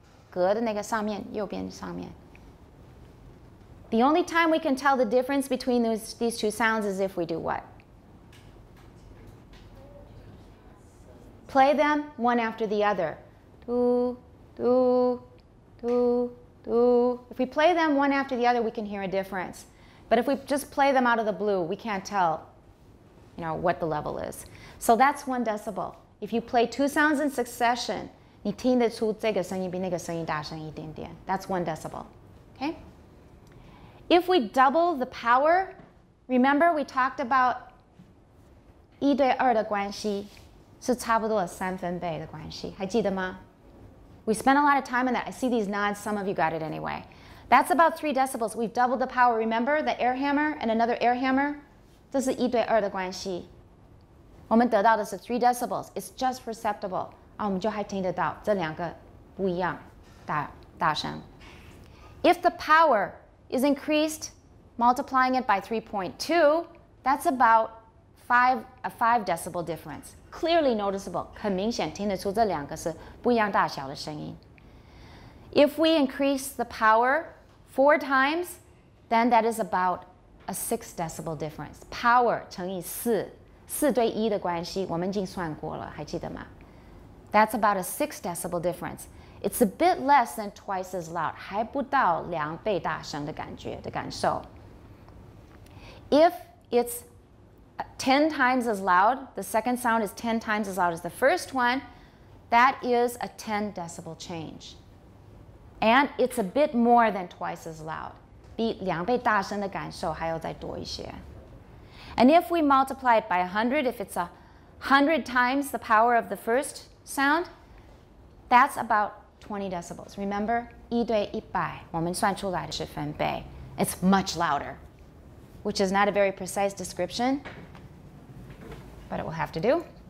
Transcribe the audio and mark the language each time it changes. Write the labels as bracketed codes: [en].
[zh] 隔的那个上面，右边上面。 [en] The only time we can tell the difference between these two sounds is if we do what? Play them one after the other. Do, do, do, do. If we play them one after the other, we can hear a difference. But if we just play them out of the blue, we can't tell, you know, what the level is. So that's 1 decibel. If you play two sounds in succession, [zh] 你听得出这个声音比那个声音大声一点点。 [en] That's 1 decibel. Okay? If we double the power, remember we talked about [zh] 一对二的关系。是差不多三分贝的关系，还记得吗？ [en] We spent a lot of time on that. I see these nods. Some of you got it anyway. That's about 3 decibels. We've doubled the power. Remember the air hammer and another air hammer? [zh] 这是一对二的关系。我们得到的是 [en] 3 decibels. It's just perceptible. [zh] 啊，我们就还听得到这两个不一样，大声。 [en] If the power is increased, multiplying it by 3.2, that's about a five decibel difference. Clearly noticeable, [zh] 很明显听得出这两个是不一样大小的声音。 [en] If we increase the power 4 times, then that is about a 6 decibel difference. [zh] Power 乘以四对一的关系，我们已经算过了，还记得吗？ [en] That's about a 6 decibel difference. It's a bit less than twice as loud, [zh] 还不到两倍大声的感觉的感受。 [en] If it's 10 times as loud, the second sound is 10 times as loud as the first one, that is a 10 decibel change. And it's a bit more than twice as loud. [zh] 比两倍大声的感受还要再多一些。 [en] And if we multiply it by 100, if it's 100 times the power of the first sound, that's about 20 decibels. [zh] Remember, 一对一百，我们算出来的是分贝。 [en] It's much louder, which is not a very precise description. But it will have to do.